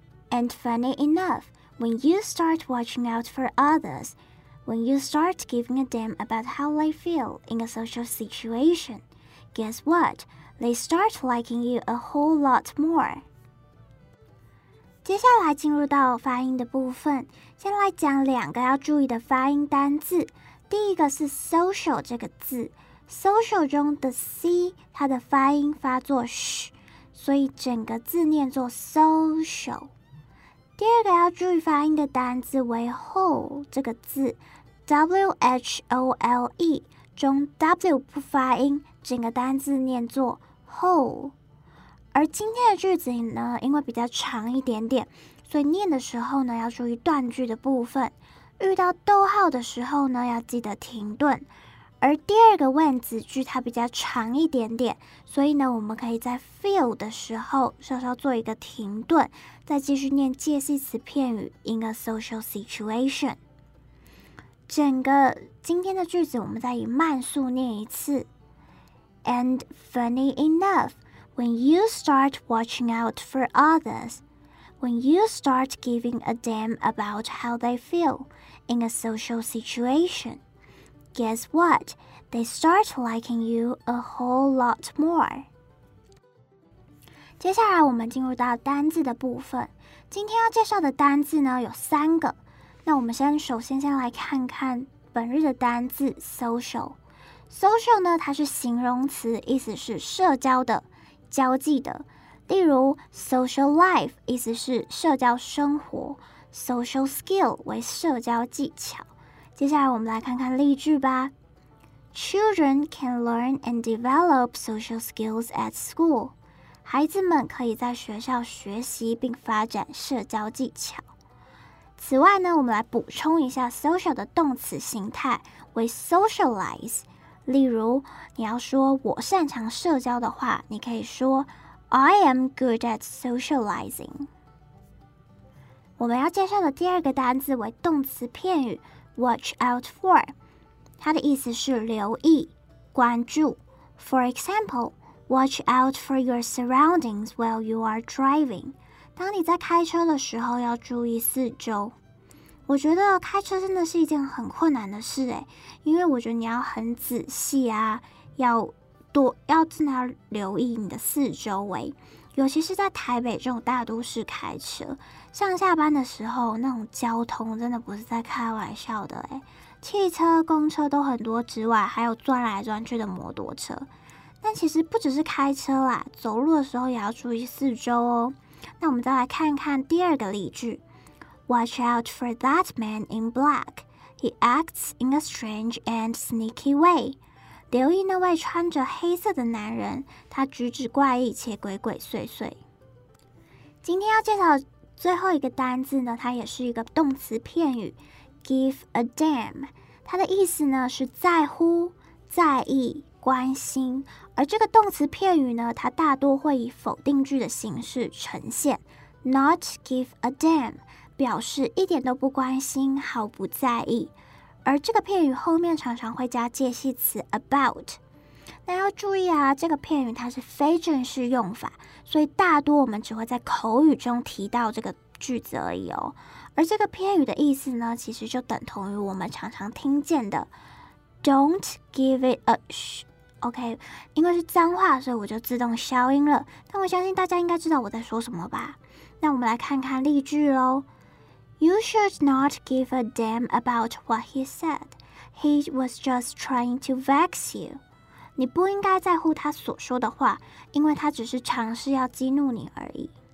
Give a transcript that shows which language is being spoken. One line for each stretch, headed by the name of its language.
English: And funny enough, when you start watching out for others, when you start giving a damn about how they feel in a social situation, guess what? They start liking you a whole lot more.
Chinese: 接下来进入到发音的部分，先来讲两个要注意的发音单字。第一个是 social 这个字 ，social 中的 c 它的发音发作 sh， 所以整个字念作 social。第二个要注意发音的单字为 whole 这个字 ，w h o l e。中 W 不发音，整个单字念作 whole。而今天的句子呢，因为比较长一点点，所以念的时候呢，要注意断句的部分。遇到逗号的时候呢，要记得停顿。而第二个问子句它比较长一点点，所以呢，我们可以在 feel 的时候稍稍做一个停顿，再继续念介系词片语
English: in a social situation。
Chinese: 整个今天的句子我们再以慢速念一次。
English: And funny enough, when you start watching out for others, when you start giving a damn about how they feel in a social situation, guess what? They start liking you a whole lot more.
Chinese: 接下来我们进入到单字的部分。今天要介绍的单字呢有三个。那我们首先来看看本日的单字 social。 social 呢，它是形容词，意思是社交的、交际的。例如 ，
English: social life
Chinese: 意思是社交生活 ，
English: social skill
Chinese: 为社交技巧。接下来我们来看看例句吧。
English: Children can learn and develop social skills at school。
Chinese: 孩子们可以在学校学习并发展社交技巧。此外呢，我们来补充一下 social 的动词形态为 socialize。例如，你要说我擅长社交的话，你可以说
English: I am good at socializing。
Chinese: 我们要介绍的第二个单字为动词片语
English: watch out for，
Chinese: 它的意思是留意、关注。
English: For example, watch out for your surroundings while you are driving。
Chinese: 当你在开车的时候要注意四周。我觉得开车真的是一件很困难的事，因为我觉得你要很仔细啊，要真的要留意你的四周围，尤其是在台北这种大都市开车，上下班的时候那种交通真的不是在开玩笑的，汽车、公车都很多之外，还有钻来钻去的摩托车。但其实不只是开车啦，走路的时候也要注意四周哦。那我们再来看看第二个例句。
English: Watch out for that man in black. He acts in a strange and sneaky way.
Chinese: 留意那位穿着黑色的男人，他举止怪异且鬼鬼祟祟。今天要介绍最后一个单字呢，它也是一个动词片语 ，
English: give a damn。
Chinese: 它的意思呢是在乎、在意、关心。而这个动词片语呢，它大多会以否定句的形式呈现 ，
English: not give a damn。
Chinese: 表示一点都不关心，毫不在意。而这个片语后面常常会加介系词 about。那要注意啊，这个片语它是非正式用法，所以大多我们只会在口语中提到这个句子而已哦。而这个片语的意思呢，其实就等同于我们常常听见的
English: don't give it a shOK，
Chinese: 因为是脏话，所以我就自动消音了。但我相信大家应该知道我在说什么吧？那我们来看看例句咯。
English: You should not give a damn about what he said. He was just trying to vex you.
Chinese: 你不应该在乎他所说的话，因为他只是尝试要激怒你而已。